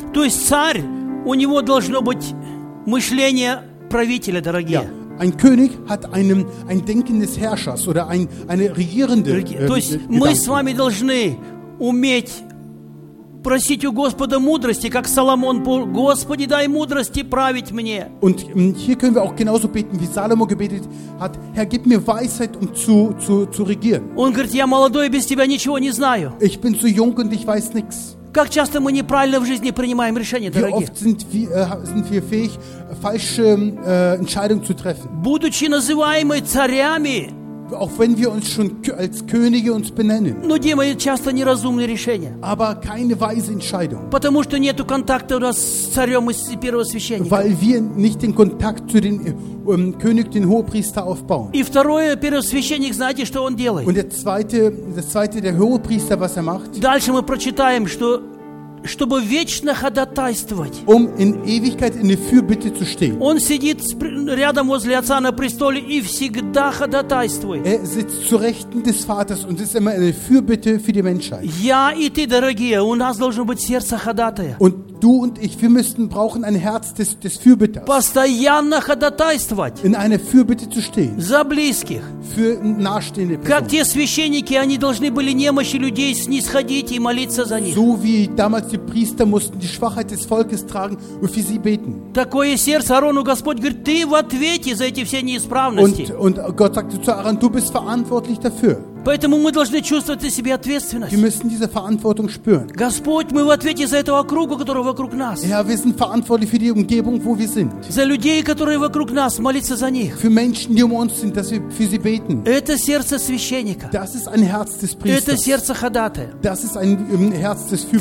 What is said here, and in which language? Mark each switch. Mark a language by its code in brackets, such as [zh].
[ru] То есть царь, у него должно быть мышление правителя, дорогие. [de] Ja. Ein König hat ein Denken des Herrschers oder eine regierende [ru] То есть [de] Gedanken. [ru] Мы с вами должны уметь просить у Господа мудрости, как Соломон: Господи, дай мудрости править мне. [de] Und hier können wir auch genauso beten, wie Salomo gebetet hat: Herr, gib mir Weisheit, um zu regieren. [ru] Он говорит: Я молодой, без тебя ничего не знаю. [de] Ich bin zu jung und ich weiß nichts. [ru] Как часто мы неправильно в жизни принимаем решения, дорогие? [de] Wie oft sind wir fähig, falsche Entscheidungen zu treffen? [ru] Будучи называемы царями, [de] auch wenn wir uns schon als Könige uns benennen. [ru] Но принимаем часто неразумные решения. [de] Aber keine weise Entscheidung. [ru] Потому что нету контакта у нас с царем и с первосвященником. [de] Weil wir nicht den Kontakt zu den König, den Hohepriester aufbauen. [ru] И второе, первосвященник, знаете, что он делает? [de] Und der zweite, der Hohepriester, was er macht? [ru] Дальше мы прочитаем, что чтобы вечно ходатайствовать. [de] Um in Ewigkeit in der Fürbitte zu stehen. [ru] Он сидит рядом возле Отца на престоле и всегда ходатайствует. [de] Er sitzt zu Rechten des Vaters und ist immer in der Fürbitte für die Menschheit. [ru] Я и ты, дорогие, у нас должно быть сердце ходатая. [de] Und du und ich, wir müssen brauchen ein Herz des Fürbitters. [ru] Постоянно ходатайствовать. [de] In einer Fürbitte zu stehen. [ru] За близких. [de] Für nahestehende Personen. [ru] Как те священники, они должны были немощи людей снисходить и молиться за них. [de] So wie damals die Priester mussten die Schwachheit des Volkes tragen und für sie beten. [ru] Такое сердце Арону Господь говорит, ты в ответе за эти все неисправности. [de] Und Gott sagte zu Aaron, du bist verantwortlich dafür. [ru] Поэтому мы должны чувствовать на себе ответственность. [de] Wir müssen diese Verantwortung spüren. [ru] Господь, мы в ответе за этого круга, который вокруг нас. [de] Ja, wir sind verantwortlich für die Umgebung, wo wir sind. [ru] За людей, которые вокруг нас, молиться за них. [de] Für Menschen, die um uns sind, dass wir für sie beten. [ru] Это сердце священника. [de] Das ist ein Herz des Priesters. [ru] Это сердце ходатая. [de] Das ist ein Herz des Fürbitters.